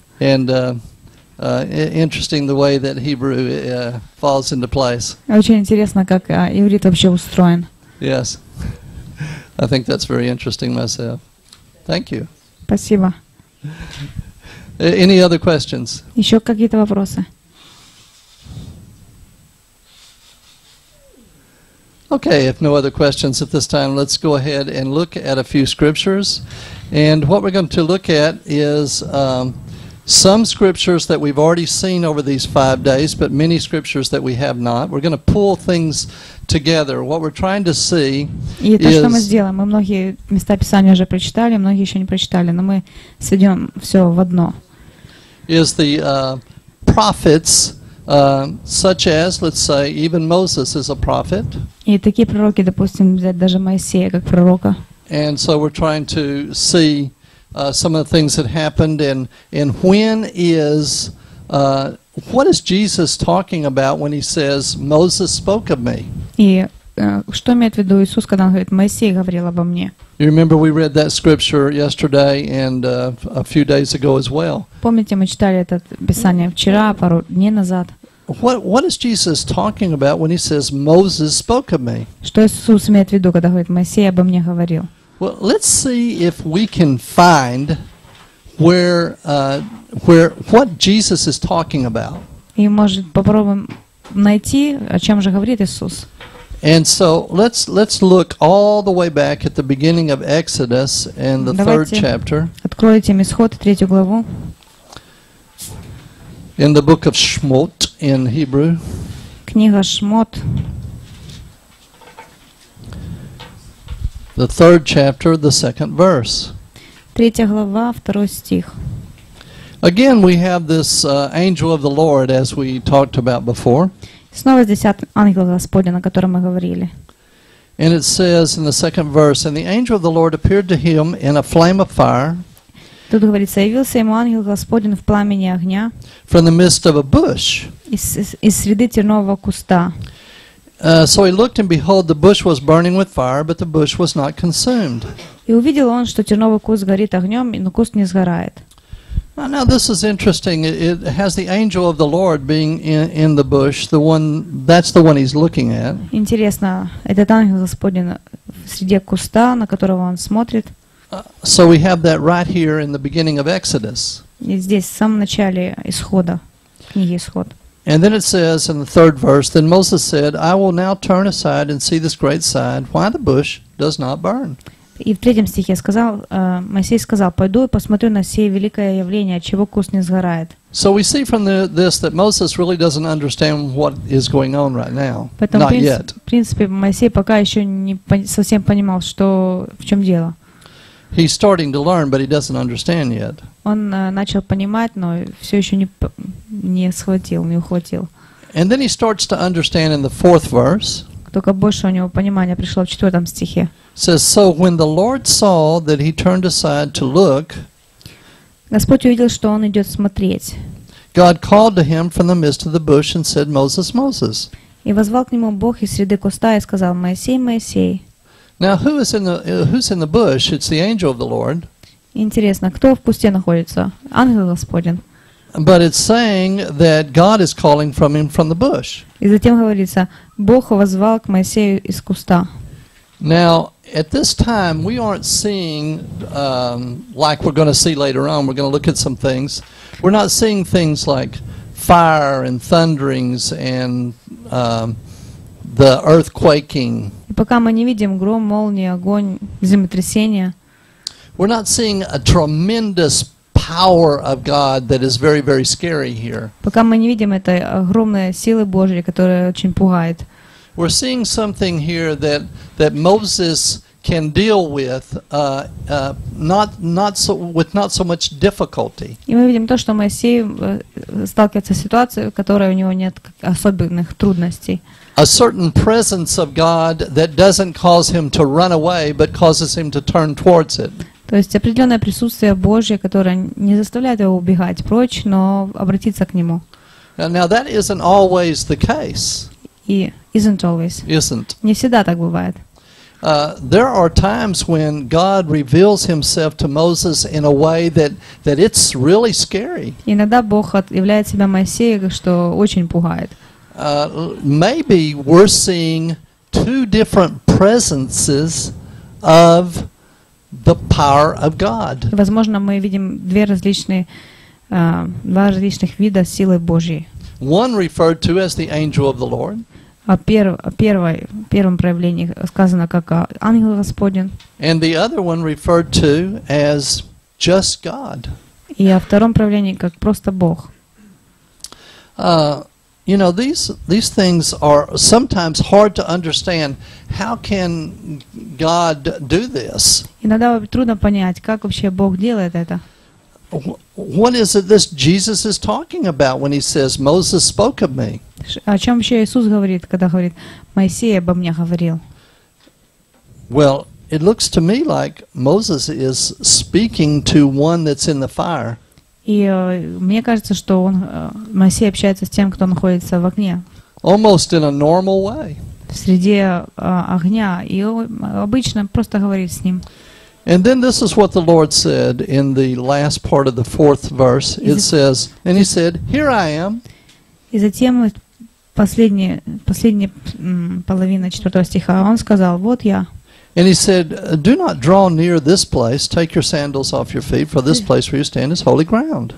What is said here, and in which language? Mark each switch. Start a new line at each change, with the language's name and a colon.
English: And interesting the way that Hebrew falls into place.
Russian: Очень интересно, как иврит вообще устроен.
English: Yes. I think that's very interesting myself. Thank you.
Russian: Спасибо.
English: Any other questions?
Russian: Еще какие-то вопросы?
English: Okay, if no other questions at this time, let's go ahead and look at a few scriptures. And what we're going to look at is some scriptures that we've already seen over these 5 days, but many scriptures that we have not. We're going to pull things together. What we're trying to see
Russian: is... И то, что мы сделаем. Мы многие места Писания уже прочитали, многие еще не прочитали, но мы сведем все в одно.
English: Is the prophets, such as, let's say, even Moses is a prophet.
Russian: И такие пророки, допустим, взять даже Моисея как пророка.
English: And so we're trying to see some of the things that happened, and when is what is Jesus talking about when he says Moses spoke of me?
Russian: И что имеет в виду Иисус, когда он говорит, Моисей говорил обо мне?
English: You remember we read that scripture yesterday and a few days ago as well.
Russian: Помните, мы читали это писание вчера, пару дней назад.
English: What is Jesus talking about when he says Moses spoke of me?
Russian: Что Иисус имеет в виду, когда говорит, Моисей обо мне говорил?
English: Well, let's see if we can find where what Jesus is talking about.
Russian: И может попробуем найти, о чем же говорит Иисус.
English: And so let's look all the way back at the beginning of Exodus and the third chapter.
Russian: Откройте Исход, третью главу.
English: In the book of Shmot in Hebrew.
Russian: Книга Шмот.
English: The third chapter, the second verse.
Russian: Третья глава, второй стих.
English: Again, we have this angel of the Lord, as we talked about before.
Russian: Снова здесь ангел Господень, о котором мы говорили.
English: And it says in the second verse, and the angel of the Lord appeared to him in a flame of fire.
Russian: Тут говорится, явился ему ангел Господень в пламени огня.
English: From the midst of a bush.
Russian: Из среды тернового куста.
English: So he looked, and behold, the bush was burning with fire, but the bush was not consumed.
Russian: И увидел он, что терновый куст горит огнем, но куст не сгорает.
English: Now this is interesting. It has the angel of the Lord being in the bush, that's the one he's looking at.
Russian: Интересно, этот ангел Господень среди куста, на которого он смотрит.
English: So we have that right here in the beginning of Exodus.
Russian: И здесь в самом начале исхода, книги исход.
English: And then it says in the third verse, then Moses said, I will now turn aside and see this great sign, why the bush does not burn.
Russian: И в третьем стихе сказал, Моисей сказал, пойду и посмотрю на сие великое явление, отчего куст не сгорает.
English: So we see from this that Moses really doesn't understand what is going on right now. Not yet.
Russian: В принципе, Моисей пока еще не совсем понимал, что в чем дело.
English: He's starting to learn, but he doesn't understand yet.
Russian: Он начал понимать, но все еще не схватил, не ухватил.
English: And then he starts to understand in the fourth verse.
Russian: Только больше у него понимания пришло в четвертом стихе.
English: Says, so when the Lord saw that he turned aside to look,
Russian: Господь увидел, что он идет смотреть.
English: God called to him from the midst of the bush and said, Moses, Moses.
Russian: И воззвал к нему Бог из среды куста и сказал, Моисей, Моисей.
English: Now who is in the who's in the bush? It's the angel of the Lord.
Russian: Интересно, кто в кусте находится? Ангел Господень.
English: But it's saying that God is calling from him from the bush.
Russian: И затем говорится, Бог воззвал к Моисею из куста.
English: Now at this time we aren't seeing like we're going to see later on. We're going to look at some things. We're not seeing things like fire and thunderings and the earth quaking.
Russian: Пока мы не видим гром, молнии, огонь, землетрясения.
English: We're not seeing a tremendous power of God that is very, very scary here.
Russian: Пока мы не видим этой огромной силы Божьей, которая очень пугает.
English: We're seeing something here that Moses can deal with, not so much difficulty.
Russian: И мы видим то, что Моисей сталкивается с ситуацией, в которой у него нет особенных трудностей.
English: A certain presence of God that doesn't cause him to run away, but causes him to turn towards it.
Russian: То есть определенное присутствие Божье, которое не заставляет его убегать прочь, но обратиться к нему.
English: Now that isn't always the case. И isn't always. Isn't.
Russian: Не всегда так бывает.
English: There are times when God reveals himself to Moses in a way that it's really scary.
Russian: Иногда Бог являет себя Моисею, что очень пугает.
English: Maybe we're seeing two different presences of the power of God.
Russian: Возможно, мы видим два различных вида силы Божьей.
English: One referred to as the angel of the Lord.
Russian: В первом проявлении сказано как ангел Господень.
English: And the other one referred to as just God.
Russian: И во втором проявлении как просто Бог.
English: You know, these things are sometimes hard to understand. How can God do this?
Russian: Иногда трудно понять, как вообще Бог делает это.
English: What is it this Jesus is talking about when he says Moses spoke of me?
Russian: О чем вообще Иисус говорит, когда говорит Моисей обо мне говорил?
English: Well, it looks to me like Moses is speaking to one that's in the fire.
Russian: И мне кажется, что он Моисей общается с тем, кто находится в огне.
English: Almost in a normal way.
Russian: В среде огня и обычно просто говорит с ним.
English: And then this is what the Lord said in the last part of the fourth verse. It says, and he said, "Here I am."
Russian: И затем последняя половина четвертого стиха, он сказал: "Вот я."
English: And he said, "Do not draw near this place. Take your sandals off your feet, for this place where you stand is holy ground."